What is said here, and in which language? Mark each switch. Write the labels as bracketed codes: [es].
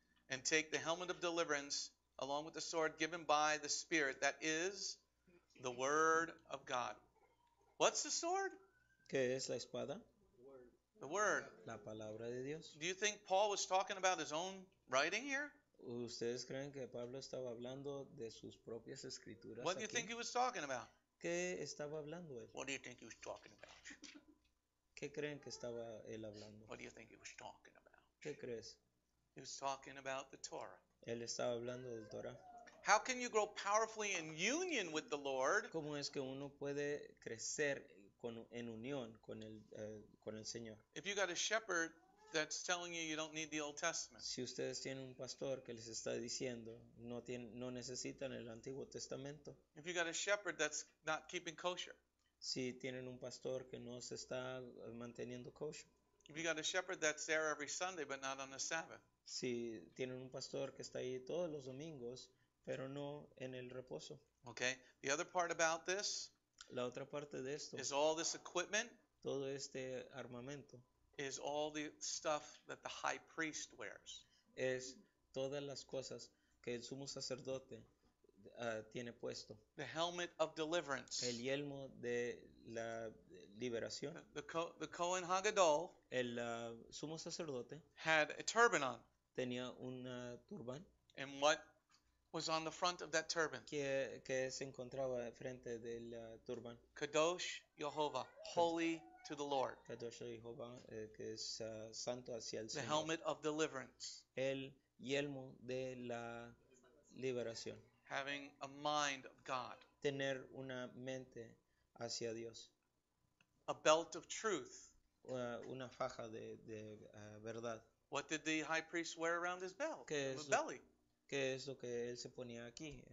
[en] And take the helmet of deliverance, along with the sword given by the Spirit, that is the word of God. What's the sword? [es] ¿Qué es la espada? [en] The word. [es] La palabra de Dios. [en] Do you think Paul was talking about his own writing here? [es] ¿Ustedes creen que Pablo estaba hablando de sus propias escrituras [en] What [es] aquí? [en] Do you think he was talking about? [es] ¿Qué estaba hablando él? [en] What do you think he was talking about? [es] ¿Qué creen que estaba él hablando? [en] What do you think he was talking about? [es] ¿Qué crees? [en] He was talking about the Torah. [es] Él estaba hablando del Torah. [en] How can you grow powerfully in union with the Lord? [es] ¿Cómo es que uno puede crecer en unión con el Señor? [en] If you got a shepherd that's telling you you don't need the Old Testament. [es] Si ustedes tienen un pastor que les está diciendo no tienen, no necesitan el Antiguo Testamento. [en] If you got a shepherd that's not keeping kosher. [es] Si tienen un pastor que no se está manteniendo kosher. [en] If you got a shepherd that's there every Sunday but not on the Sabbath. [es] Si tienen un pastor que está ahí todos los domingos, pero no en el reposo. [en] Okay. The other part about this. [es] La otra parte de esto. [en] Is all this equipment? [es] Todo este armamento. [en] Is all the stuff that the high priest wears. [es] Es todas las cosas que el sumo sacerdote tiene puesto. [en] The helmet of deliverance. [es] El yelmo de la liberación. [en] The Kohen Hagadol. [es] El sumo sacerdote. [en] Had a turban on. [es] Tenía una turban. [en] And what was on the front of that turban? [es] Que se encontraba frente del turban. [he] Kadosh Jehovah, [en] holy to the Lord. [he] Kadosh Jehovah, [es] que es santo hacia el [en] the [es] Señor. [en] The helmet of deliverance. [es] El yelmo de la liberación. [en] Having a mind of God. [es] Tener una mente hacia Dios. [en] A belt of truth. [es] Una faja de verdad. [en] What did the high priest wear around his belt? Belly. [es] ¿Qué es lo que él se ponía aquí?